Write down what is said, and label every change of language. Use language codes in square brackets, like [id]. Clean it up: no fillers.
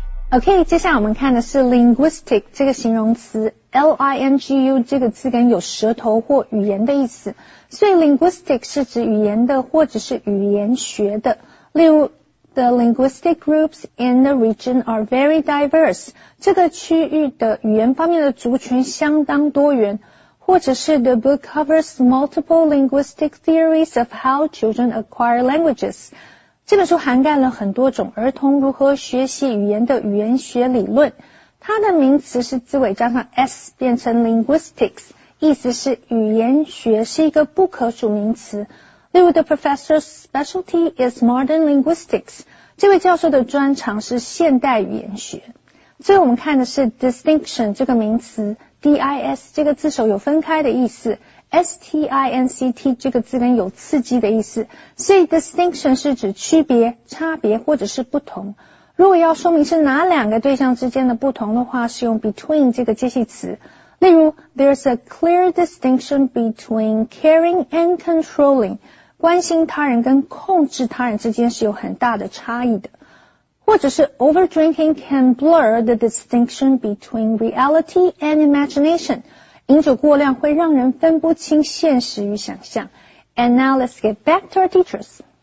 [zh] Okay, 接下来我们看的是 linguistic 这个形容词 L-I-N-G-U 这个字根有舌头或语言的意思，所以 linguistic 是指语言的或者是语言学的。例如 [en] The linguistic groups in the region are very diverse. [zh] 这个区域的语言方面的族群相当多元。或者是 [en] The book covers multiple linguistic theories of how children acquire languages. [zh] 这本书涵盖了很多种儿童如何学习语言的语言学理论。它的名词是字尾加上 s 变成 linguistics, 意思是语言学是一个不可数名词。例如 [en] The professor's specialty is modern linguistics, [zh] 这位教授的专长是现代语言学。最后我们看的是 distinction 这个名词 ,dis 这个字首有分开的意思。 S-T-I-N-C-T 这个字根有刺激的意思，所以 distinction 是指区别、差别或者是不同。如果要说明是哪两个对象之间的不同的话，是用 between 这个介系词。例如 [en] there's a clear distinction between caring and controlling, [zh] 关心他人跟控制他人之间是有很大的差异的。或者是 [en] overdrinking can blur the distinction between reality and imagination, [zh] 饮酒过量会让人分不清现实与想象。 [en] And now let's get back to our teachers.